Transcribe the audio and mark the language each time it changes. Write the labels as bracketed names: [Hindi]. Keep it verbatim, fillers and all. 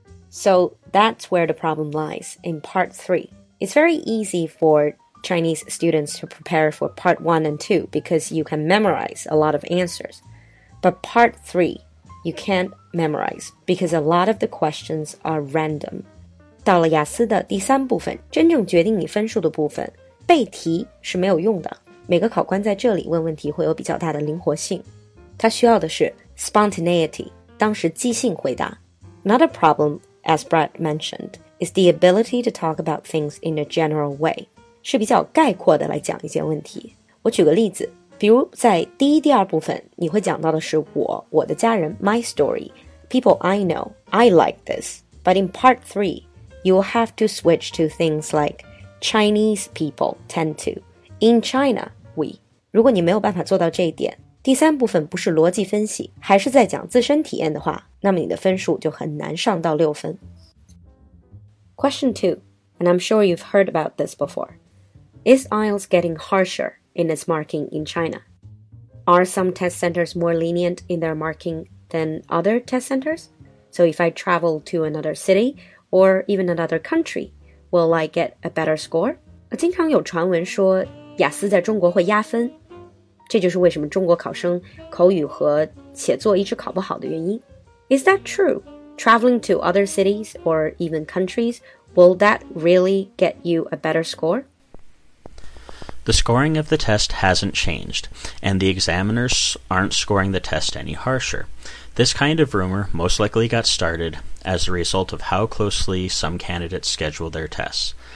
[English] So that's where the problem lies, in Part three. It's very easy for Chinese students to prepare for Part one and two because you can memorize a lot of answers. But Part three, you can't memorize because a lot of the questions are random. [Chinese] 到了雅思的第三部分，真正决定你分数的部分，背题是没有用的。每个考官在这里问问题会有比较大的灵活性，他需要的是 spontaneity， 当时即兴回答。 [English] Another problem, as Brad mentioned, is the ability to talk about things in a general way. [Chinese] 是比较概括的来讲一件问题。我举个例子，比如在第一、第二部分，你会讲到的是我、我的家人 [English] my story, people I know, I like this. But in Part three, you'll have to switch to things like Chinese people tend to. In China, we. [Chinese] 如果你没有办法做到这一点，第三部分不是逻辑分析，还是在讲自身体验的话，那么你的分数就很难上到六分。 [English] Question two, and I'm sure you've heard about this before. Is I E L T S getting harsher in its marking in China? Are some test centers more lenient in their marking than other test centers? So if I travel to another city or even another country, Will I get a better score? [Chinese] 经常有传闻说雅思在中国会压分，这就是为什么中国考生口语和写作一直考不好的原因。 [English] Is that true? Traveling to other cities or even countries, will that really get you a better score? The scoring of the test hasn't changed, and the examiners aren't scoring the test any harsher. This kind of rumor most likely got started as a result of how closely some candidates schedule their tests.